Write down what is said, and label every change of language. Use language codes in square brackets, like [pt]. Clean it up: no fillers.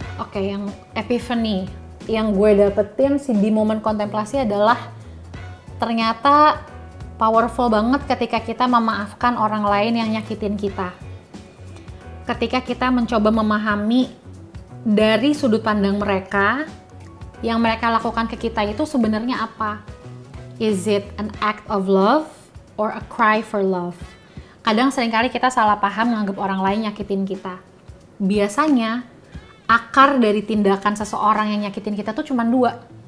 [id] Okay, yang epiphany yang gue dapetin sih di momen kontemplasi adalah ternyata powerful banget ketika kita memaafkan orang lain yang nyakitin kita. Ketika kita mencoba memahami dari sudut pandang mereka, yang mereka lakukan ke kita itu sebenarnya apa? [en] Is it an act of love or a cry for love? [id] Kadang seringkali kita salah paham menganggap orang lain nyakitin kita. Biasanya, akar dari tindakan seseorang yang nyakitin kita tuh cuma dua.